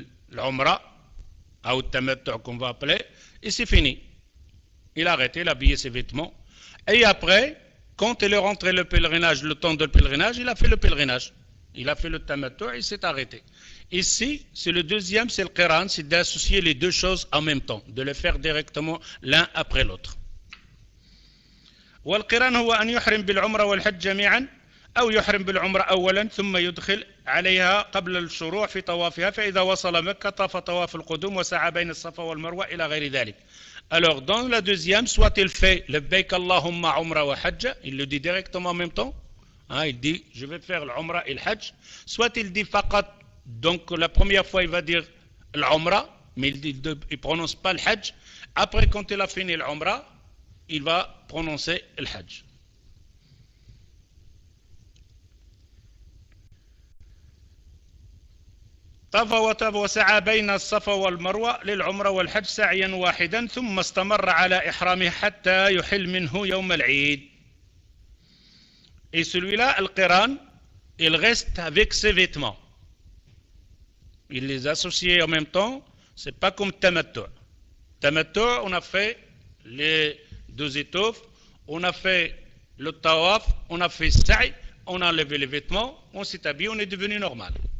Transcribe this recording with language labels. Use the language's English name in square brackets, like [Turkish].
[French] l'umra ou le tamattu qu'on va appeler et c'est fini il a arrêté il a habillé ses vêtements et après quand il est rentré le pèlerinage le temps de le pèlerinage il a fait le pèlerinage il a fait le tamattu et s'est arrêté Ici, c'est le deuxième, c'est le Qiran, c'est d'associer les deux choses en même temps, de les faire directement l'un après l'autre. Et le Qiran, c'est qu'il y a un Umra et un Hajj, [Arabic] أو يحرم بالعمرة أولا ثم يدخل عليها قبل الشروع في طوافها، فإذا وصل مكة طاف طواف القدوم وسعى بين الصفا والمروة إلى غير ذلك. [French] Alors dans la deuxième, soit il fait [Arabic] لبيك اللهم عمرة وحجة. [French] Il le dit directement en même temps. Hein, il dit je vais faire العمرة et الحج. Soit il dit فقط. Donc la première fois il va dire العمرة, mais il ne prononce pas الحج. Après quand il a fini العمرة, il va prononcer الحج. [Arabic] طاف وطاف وسعى بين الصفا والمروة للعمرة والحج سعيا واحدا ثم استمر على إحرامه حتى يحل منه يوم العيد. [French] Et celui-là, le Quran, il reste avec ses vêtements. Il les associe en même temps. C'est pas comme Tamattu'. Tamattu', on a fait les deux étoffes, on a fait le tawaf, on a fait sa'y, on a enlevé les vêtements, on s'est habillé, on est devenu normal.